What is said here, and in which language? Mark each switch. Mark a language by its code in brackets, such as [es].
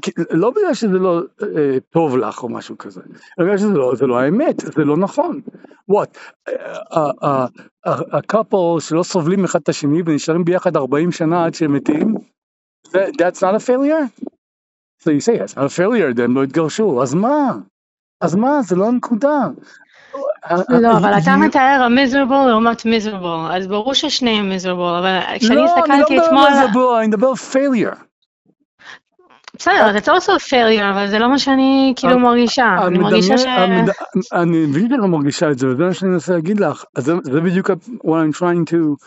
[he] לא בגלל שזה לא טוב לך או משהו כזה. בגלל שזה לא, זה לא האמת, זה לא נכון. [en] What? [he] הקאפל שלא סובלים אחד את השני ונשארים ביחד 40 שנה עד שהם מתים? [en] That's not a failure? So you say, yes, a failure, then [he] לא התגרשו. אז מה? אז מה? זה לא הנקודה. לא, אבל אתה מתאר miserable לעומת miserable. אז ברור ששניהם miserable, אבל כשאני הסתכלתי אתמול... לא, אני לא מדבר miserable, אני מדבר failure. בסדר, זה also failure, אבל זה לא מה שאני כאילו מרגישה. אני מרגישה ש... אני מבין שאני לא מרגישה את זה, וזה מה שאני מנסה להגיד לך. זה בדיוק [en] what I'm trying to...